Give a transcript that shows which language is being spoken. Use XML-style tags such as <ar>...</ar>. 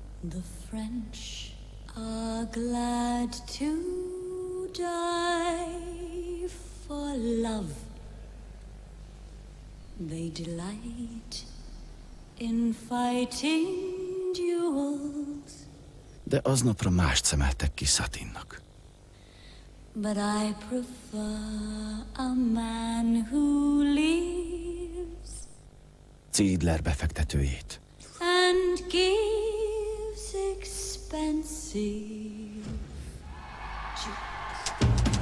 <en>The French are glad to die. For love, they delight in fighting duels.</en> <hu>De aznapra mást szemeltek ki Satinnak.</hu> <en>But I prefer a man who leaves.</en> <hu>Ziegler befektetőjét.</hu> <en>And gives expensive jokes.</en>